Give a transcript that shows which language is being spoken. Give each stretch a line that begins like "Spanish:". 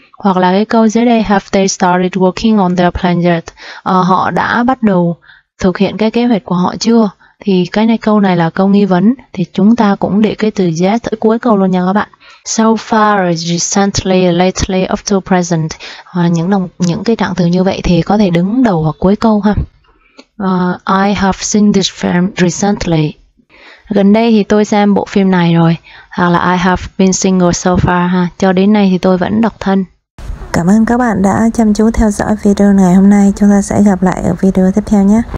Vietnamese: Hoặc là cái câu dưới đây,
English: have they started working on their plan yet,
Vietnamese: họ đã bắt đầu thực hiện cái kế hoạch của họ chưa, thì cái này câu này là câu nghi vấn, thì chúng ta cũng để cái từ yes ở cuối câu luôn nha các bạn.
English: So far, recently, lately, up to present,
Vietnamese: hoặc những cái trạng từ như vậy thì có thể đứng đầu hoặc cuối câu ha.
English: I have seen this film recently.
Vietnamese: Gần đây thì tôi xem bộ phim này rồi. Hoặc là
English: I have been single so far ha.
Vietnamese: Cho đến nay thì tôi vẫn độc thân. Cảm ơn các bạn đã chăm chú theo dõi video ngày hôm nay. Chúng ta sẽ gặp lại ở video tiếp theo nhé.